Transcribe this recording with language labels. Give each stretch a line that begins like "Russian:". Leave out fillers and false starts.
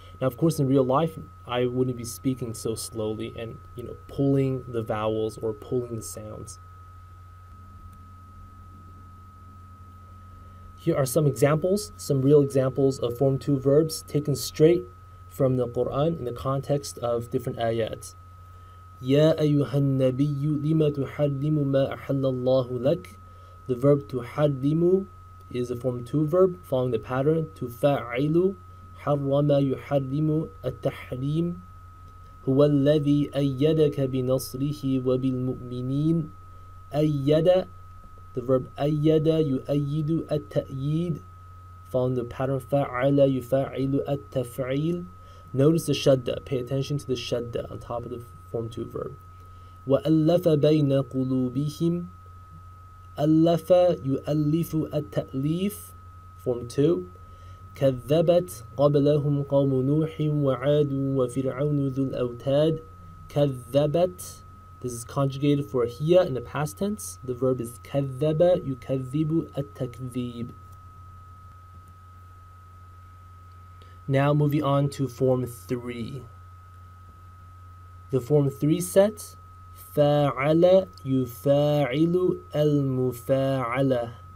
English: Now, of course, in real life, I wouldn't be speaking so slowly and, you know, pulling the vowels or pulling the sounds. Here are some examples, some real examples of form two verbs taken straight from the Quran in the context of different ayats.
Arabic: يَا أَيُّهَا النَّبِيُّ لِمَ تُحَرِّمُ مَا أَحَلَّ اللَّهُ لَكَ.
English: The verb
Arabic: تُحَرِّمُ
English: is a form 2 verb following the pattern
Arabic: تُفَعِلُ حَرَّمَ يُحَرِّمُ التَّحْرِيمُ هو الذي أيدك بنصره وبالمؤمنين أيد.
English: The verb
Arabic: أيد يؤيد التأييد.
English: Following the pattern
Arabic: فعل يفعل التفعيل.
English: Notice the شدة. Pay attention to the شدة on top of the form two verb.
Arabic: وألف بين قلوبهم. ألف يؤلف التأليف.
English: Form two.
Arabic: كذبت قبلهم قوم نوح وعاد وفرعون ذو الأوتاد. كذبت.
English: This is conjugated for هي in the past tense. The verb is
Arabic: كذب يكذب التكذيب.
English: Now moving on to form three. The form three set.
Arabic: فاعل يفاعل المفاعلة.